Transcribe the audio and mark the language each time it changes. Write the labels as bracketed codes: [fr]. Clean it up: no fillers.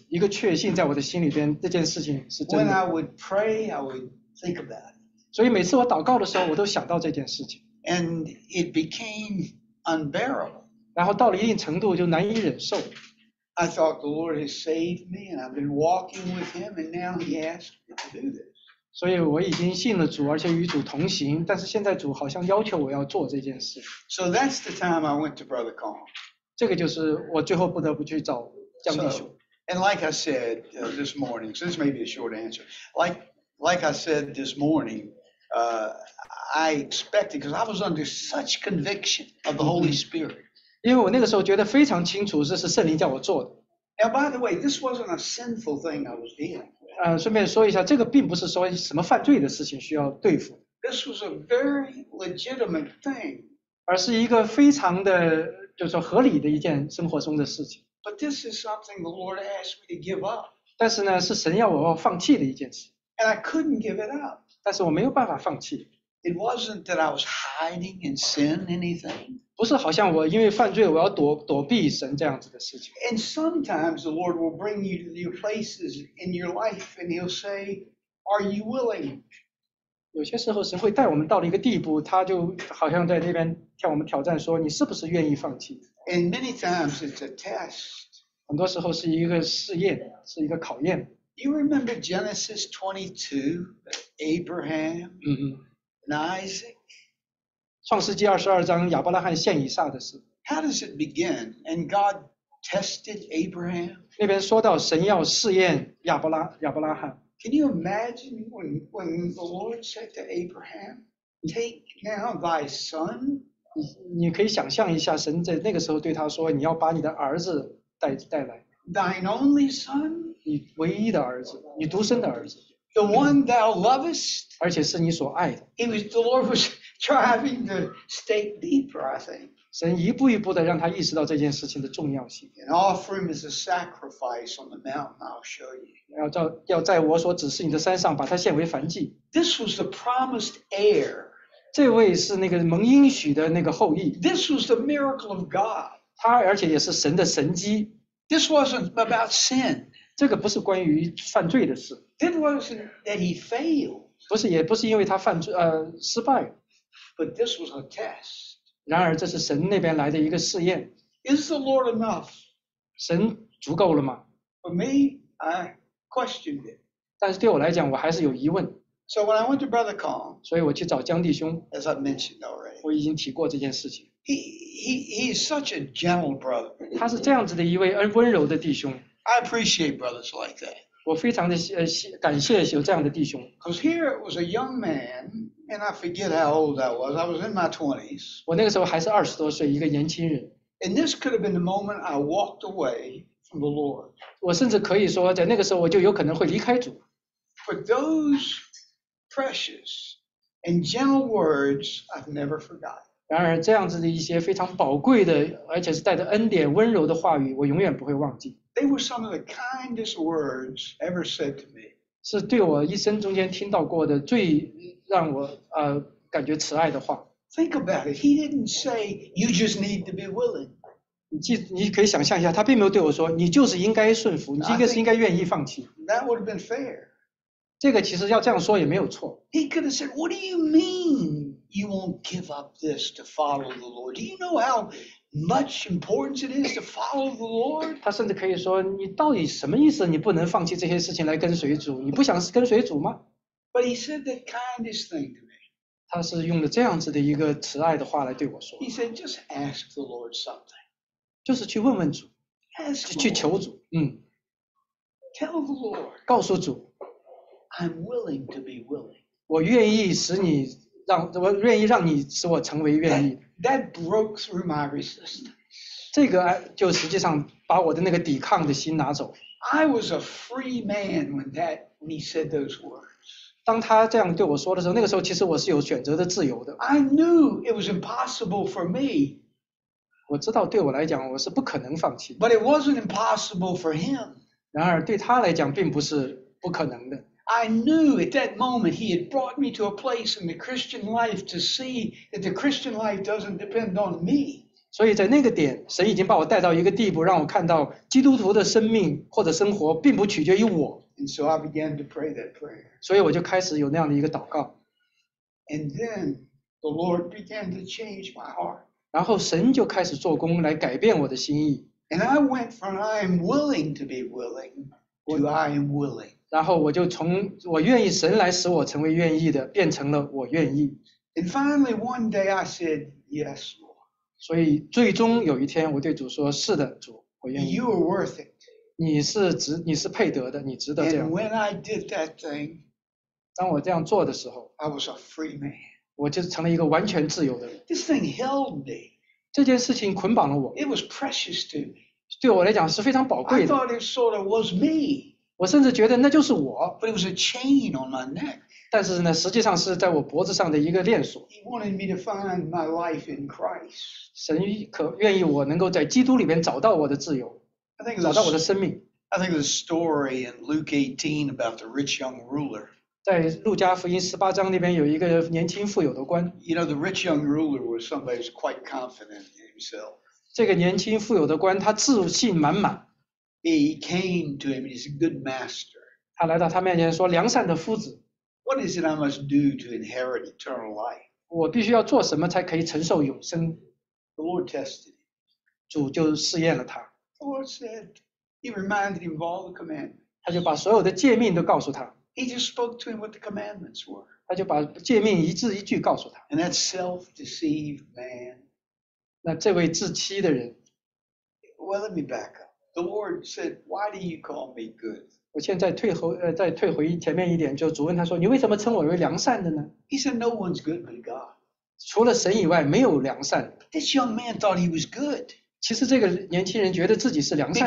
[zh] 所以我一直在有，我一直有那样的一个确信，一个确信在我的心里边，这件事情是真的。 [en] When I would pray, I would think about it. [zh] 所以每次我祷告的时候，我都想到这件事情。 [en] And it became unbearable. [zh] 然后到了一定程度就难以忍受。 [en] I thought the Lord has saved me, and I've been walking with Him, and now He asked me to do this. [zh] 所以我已经信了主，而且与主同行，但是现在主好像要求我要做这件事。 [en] So that's the time I went to Brother Kong. [zh] 这个就是我最后不得不去找江弟兄。 [en] And like I said this morning, so this may be a short answer. Like I said this morning. I expected, because I was under such conviction of the Holy Spirit. [zh] 因为我那个时候觉得非常清楚，这是圣灵叫我做的。 [en] Now, by the way, this wasn't a sinful thing I was dealing with. [zh] 顺便说一下，这个并不是说什么犯罪的事情需要对付。 [en] This was a very legitimate thing. [zh] 而是一个非常的，就是说合理的一件生活中的事情。 [en] But this is something the Lord asked me to give up. [zh] 但是呢，是神要我放弃的一件事。 [en] And I couldn't give it up. [zh] 但是我没有办法放弃。 [en] It wasn't that I was hiding in sin anything. [zh] 不是好像我因为犯罪我要躲避神这样子的事情。 [en] And sometimes the Lord will bring you to new places in your life and he'll say, are you willing? [zh] 有些时候神会带我们到了一个地步，他就好像在那边向我们挑战说，你是不是愿意放弃。 [en] And many times it's a test. [zh] 很多时候是一个试验，是一个考验。 [en] You remember Genesis 22, Abraham? Mm-hmm. Isaac. [zh] 创世纪二十二章亚伯拉罕献以撒的事。 [en] How does it begin? And God tested Abraham. [zh] 那边说到神要试验亚伯拉罕。 [en] Can you imagine when the Lord said to Abraham, "Take now thy son"? [zh] 你可以想象一下，神在那个时候对他说，你要把你的儿子带来。 [en] Thine only son. [zh] 你唯一的儿子，你独生的儿子。 [en] The one thou lovest, [zh] 而且是你所爱的。 [en] The Lord was driving the stake deeper, I think. [zh] 神一步一步地让他意识到这件事情的重要性。 [en] And offer him as a sacrifice on the mountain, I'll show you. [zh] 要在我所指示你的山上把它献为燔祭。 [en] This was the promised heir. [zh] 这位是那个蒙应许的那个后裔。 [en] This was the miracle of God. [zh] 他而且也是神的神迹。 [en] This wasn't about sin. [zh] 这个不是关于犯罪的事。 [en] It wasn't that he failed. [zh] 不是，也不是因为他犯罪，失败。 [en] But this was a test. [zh] 然而，这是神那边来的一个试验。 [en] Is the Lord enough? [zh] 神足够了吗 [en] ？For me, I questioned it. [zh] 但是对我来讲，我还是有疑问。 [en] So when I went to Brother Kong, [zh] 所以我去找江弟兄。 [en] As I mentioned already, [zh] 我已经提过这件事情。 [en] He is such a gentle brother. [zh] 他是这样子的一位温柔的弟兄。 [en] I appreciate brothers like that. [zh] 我非常的感谢有这样的弟兄。 [en] Because here it was a young man, and I forget how old I was. I was in my 20s. [zh] 我那个时候还是二十多岁，一个年轻人。 [en] And this could have been the moment I walked away from the Lord. [zh] 我甚至可以说，在那个时候我就有可能会离开主。 [en] But those precious and gentle words I've never forgotten. [zh] 然而这样子的一些非常宝贵的，而且是带着恩典温柔的话语，我永远不会忘记。 [en] They were some of the kindest words ever said to me. [zh] 是对我一生中间听到过的最让我感觉慈爱的话。 [en] Think about it. He didn't say you just need to be willing. [zh] 你可以想象一下，他并没有对我说你就是应该顺服，你应该愿意放弃。 [en] That would have been fair. [zh] 这个其实要这样说也没有错。 [en] He could have said, "What do you mean you won't give up this to follow the Lord? Do you know how?" Much importance it is to follow the Lord. [zh] 他甚至可以说，你到底什么意思？你不能放弃这些事情来跟随主？你不想跟随主吗 [en] ？But he said the kindest thing to me. [zh] 他是用了这样子的一个慈爱的话来对我说。 [en] He said, "Just ask the Lord something." [zh] 就是去问问主， [en] ask [zh] 去求主。 [en] Tell the Lord. [zh] 告诉主。 [en] I'm willing to be willing. [zh] 我愿意使你让我愿意让你使我成为愿意。 [en] That broke through my resistance. [zh] 这个就实际上把我的那个抵抗的心拿走。 [en] I was a free man when he said those words. [zh] 当他这样对我说的时候，那个时候其实我是有选择的自由的。 [en] I knew it was impossible for me. [zh] 我知道对我来讲我是不可能放弃。 [en] But it wasn't impossible for him. [zh] 然而对他来讲并不是不可能的。 [en] I knew at that moment he had brought me to a place in the Christian life to see that the Christian life doesn't depend on me. [zh] 所以在那个点，神已经把我带到一个地步，让我看到基督徒的生命或者生活并不取决于我。 [en] And so I began to pray that prayer. [zh] 所以我就开始有那样的一个祷告。 [en] And then the Lord began to change my heart. [zh] 然后神就开始做工来改变我的心意。 [en] And I went from I am willing to be willing to I am willing. [zh] 然后我就从我愿意神来使我成为愿意的，变成了我愿意。 [en] And finally, one day I said yes, Lord. [zh] 所以最终有一天，我对主说：“是的，主，我愿意。 [en] ”You are worth it. [zh] 你是配得的，你值得这样。 [en] And when I did that thing, [zh] 当我这样做的时候 [en] ，I was a free man. [zh] 我就成了一个完全自由的人。 [en] This thing held me. [zh] 这件事情捆绑了我。 [en] It was precious to me. [zh] 对我来讲是非常宝贵的。 [en] I thought it sort of was me. [zh] 我甚至觉得那就是我。 [en] But it was a chain on my neck. [zh] 但是呢，实际上是在我脖子上的一个链锁。 [en] He wanted me to find my life in Christ. [zh] 神可愿意我能够在基督里面找到我的自由。 [en] I think [zh] 找到我的生命。 [en] I think the story in Luke 18 about the rich young ruler. [zh] 在路加福音十八章那边有一个年轻富有的官。 [en] You know, the rich young ruler was somebody who was quite confident in himself. [zh] 这个年轻富有的官，他自信满满。 [en] He came to him, he's a good master. [zh] 他来到他面前说，良善的夫子。 [en] What is it I must do to inherit eternal life? [zh] 我必须要做什么才可以承受永生。 [en] The Lord tested him. [zh] 主就试验了他。 [en] The Lord said,He reminded him of all the commandments. [zh] 他就把所有的诫命都告诉他。 [en] He just spoke to him what the commandments were. [zh] 他就把诫命一字一句告诉他。 [en] And that self-deceived man. [zh] 那这位自欺的人。 [en] Well, let me back up. The Lord said, why do you call me good? [zh] 我现在再退回前面一点，就主问他说，你为什么称我为良善的呢？ [en] He said, no one's good but God. [zh] 除了神以外，没有良善。 [en] This young man thought he was good. [zh] 其实这个年轻人觉得自己是良善。